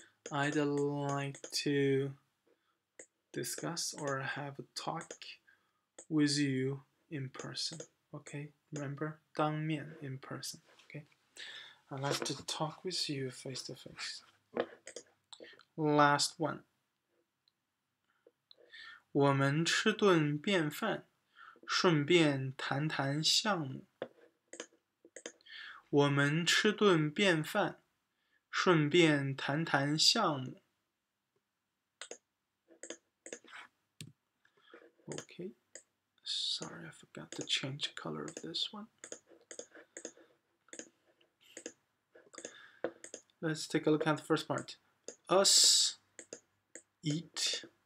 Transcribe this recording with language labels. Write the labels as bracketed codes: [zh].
[en] I'd like to discuss or have a talk with you in person. Okay, remember? 当面, in person. Okay, I'd like to talk with you face to face. Last one. [zh] 我们吃顿便饭，顺便谈谈项目。我们吃顿便饭，顺便谈谈项目。 [en] Okay, sorry, I forgot to change the color of this one. Let's take a look at the first part. Us eat.